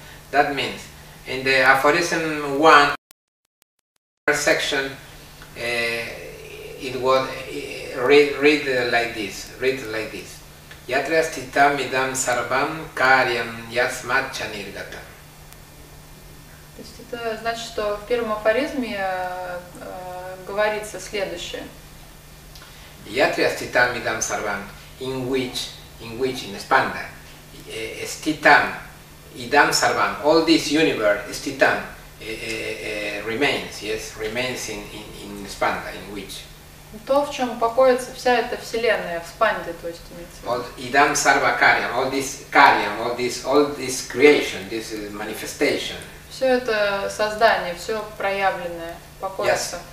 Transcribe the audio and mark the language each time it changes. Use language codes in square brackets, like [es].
[en] That means in the aphorism 1 first section it was read like this [sa] yatra stitamidam sarvam karyam yatmacha nirgatam. [ru] То есть это значит, что в первом афоризме говорится следующее. [sa] Yatra sthitam idam sarvam, [en] in which, in spanda. Sthitam Idam Sarvam, all this universe is Titan, remains, yes, remains in Spanda, in which. [ru] То, в чем покоится вся эта вселенная в Спанде, то есть имеется. Вот Идам Сарва Карьям, [en] all this Карьям, all this creation, this is manifestation. [ru] Все это создание, все проявленное покоится.